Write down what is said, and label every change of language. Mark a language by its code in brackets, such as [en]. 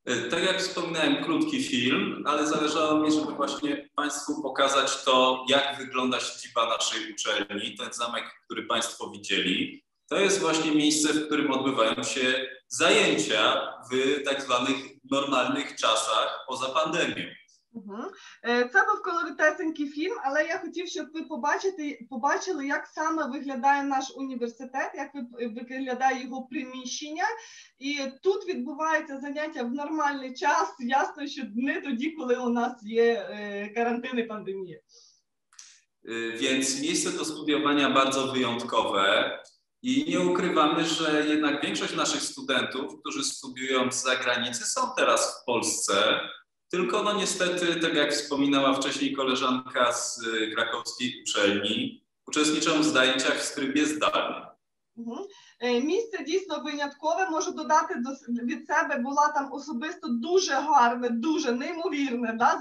[pl] Tak jak wspominałem, krótki film, ale zależało mi, żeby właśnie Państwu pokazać to, jak wygląda siedziba naszej uczelni, ten zamek, który Państwo widzieli. To jest właśnie miejsce, w którym odbywają się zajęcia w tak zwanych normalnych czasach poza pandemią. [uk] Це був колоритесенький фільм, але я хотів, щоб ви побачили, як саме виглядає наш університет, як виглядає його приміщення. І тут відбувається заняття в нормальний час, ясно, що дні тоді, коли у нас є карантин і пандемія. [pl] Więc miejsce do studiowania bardzo wyjątkowe. I nie ukrywamy, że jednak większość naszych studentów, którzy studiują z zagranicy, są teraz w Polsce. Tylko no niestety, tak jak wspominała wcześniej koleżanka z krakowskiej uczelni, uczestniczą w zajęciach w trybie zdalnym. [uk] Місце дійсно виняткове, можу додати від себе, була там особисто дуже гарне, дуже неймовірне, да?